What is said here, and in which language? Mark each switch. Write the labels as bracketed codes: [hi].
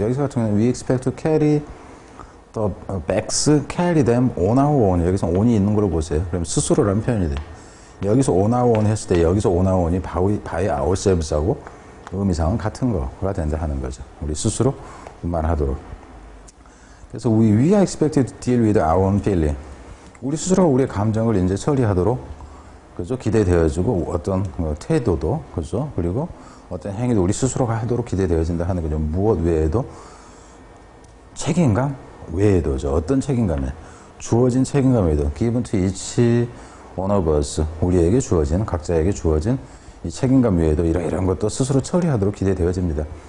[ko] 여기서 같은 경우는 [en] We expect to carry the bags, carry them on our own. [ko] 여기서 on이 있는 걸 보세요. 그럼 스스로라는 표현이 돼요. 여기서 on our own 했을 때 여기서 on our own이 by ourselves하고 의미상은 같은 거가 된다 하는 거죠. 우리 스스로 운반하도록. 그래서 [en] we are expected to deal with our own feeling. [ko] 우리 스스로 우리의 감정을 이제 처리하도록 그죠? 기대되어지고 어떤 태도도 그죠? 그리고 어떤 행위도 우리 스스로가 하도록 기대되어진다 하는 거죠. 무엇 외에도 책임감 외에도죠. 어떤 책임감에 주어진 책임감 외에도 [en] given to each one of us [ko] 우리에게 주어진 각자에게 주어진 이 책임감 외에도 이런 것도 스스로 처리하도록 기대되어집니다.